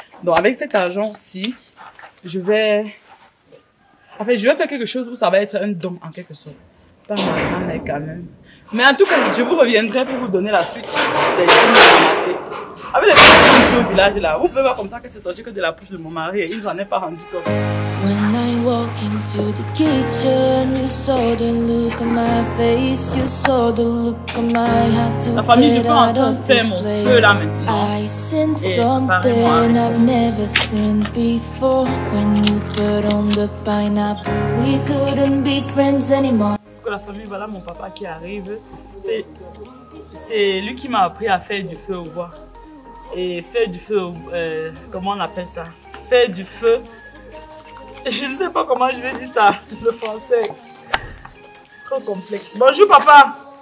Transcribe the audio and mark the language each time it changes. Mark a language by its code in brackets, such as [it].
[fr] Donc avec cet argent-ci, je vais... En fait, je vais faire quelque chose où ça va être un don, en quelque sorte. Pas ma grand-mère quand même. Mais en tout cas, je vous reviendrai pour vous donner la suite des choses ramassées. Avec les choses qui sont au village là, vous pouvez voir comme ça que c'est sorti que de la bouche de mon mari et il n'en est pas rendu compte. [en] When I walk into the kitchen, you saw the look on my face, you saw the look on my heart to [fr] la famille, [en] get out of this place. I seen something I've never seen before. When you put on the pineapple, we couldn't be friends anymore. [fr] La famille, voilà mon papa qui arrive. C'est lui qui m'a appris à faire du feu au bois. Et faire du feu, comment on appelle ça? Faire du feu. Je ne sais pas comment je vais dire ça, le français. Trop complexe. Bonjour papa.